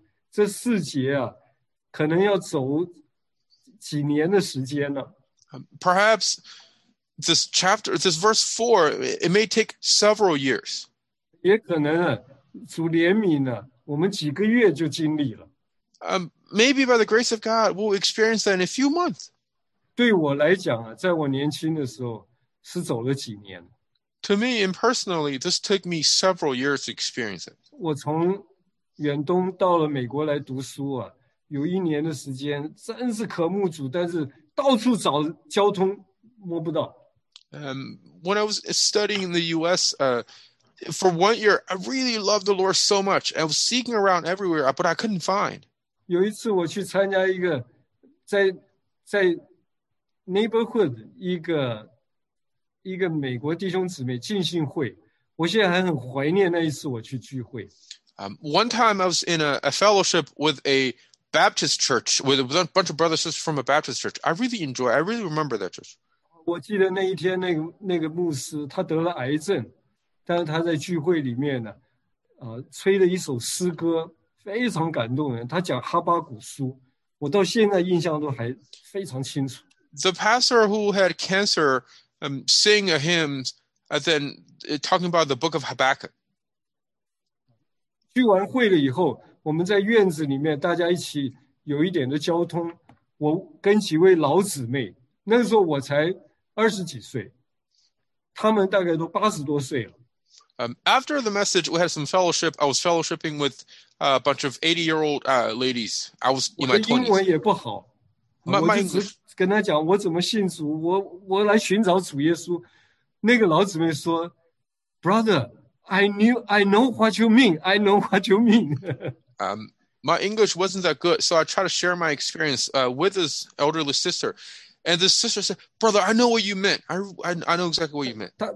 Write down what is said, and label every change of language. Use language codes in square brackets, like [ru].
[zh] 这四节啊，可能要走几年的时间呢。 [en] Perhaps. This chapter, this verse 4, it may take several years. [zh] 也可能啊，主怜悯呢，我们几个月就经历了。 [en] Maybe by the grace of God, we'll experience that in a few months. [zh] 对我来讲啊，在我年轻的时候，是走了几年。 [en] To me, and personally, this took me several years to experience it. [zh] 我从远东到了美国来读书啊，有一年的时间，真是渴慕主，但是到处找交通。摸不到。 [en] When I was studying in the U.S., for 1 year, I really loved the Lord so much. I was seeking around everywhere, but I couldn't find. [zh] 有一次我去参加一个在 neighborhood 一个美国弟兄姊妹浸信会，我现在还很怀念那一次我去聚会。 [en] One time I was in a fellowship with a Baptist church with a bunch of brothers and sisters from a Baptist church. I really remember that church. [zh] 我记得那一天那个牧师他得了癌症，但是他在聚会里面呢，吹了一首诗歌，非常感动人。他讲哈巴谷书，我到现在印象都还非常清楚。 [en] The pastor who had cancer, sing a hymn, and then talking about the book of Habakkuk. [zh] 聚完会了以后，我们在院子里面大家一起有一点的交通，我跟几位老姊妹。那个时候我才二十几岁，他们大概都八十多岁了。 [en] After the message, we had some fellowship. I was fellowshipping with a bunch of 80-year-old ladies. I was in my 20s. My English. [zh] 跟他讲我怎么信主，我来寻找主耶稣。那个老姊妹说, [en] Brother, I know what you mean. I know what you mean. My English wasn't that good, so I tried to share my experience with this elderly sister. And the sister said, Brother, I know what you meant. I know exactly what you meant.